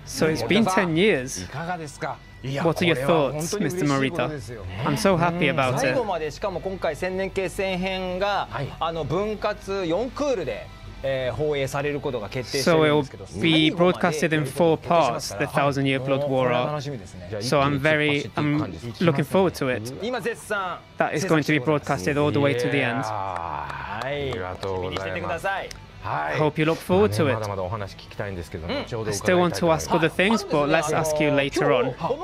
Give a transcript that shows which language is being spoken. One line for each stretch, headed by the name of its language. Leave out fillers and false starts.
English: So it's been 10 years。
Japanese: いかがですか。
English: What are your thoughts, Mr. Morita? I'm so happy about it.
Japanese: 最後まで、しかも今回千年決戦編が、はい、あの分割4クールで、放映されることが決定しているんですけど、
English: So it will be broadcasted in four parts, the Thousand Year Blood War arc. So I'm very, I'm looking forward to it.
Japanese: 今絶賛
English: That is going to be broadcasted all the way to the end.
Japanese: ありがとうございます。
English: I hope you look forward to it. I still want to ask other things, but let's ask you later on.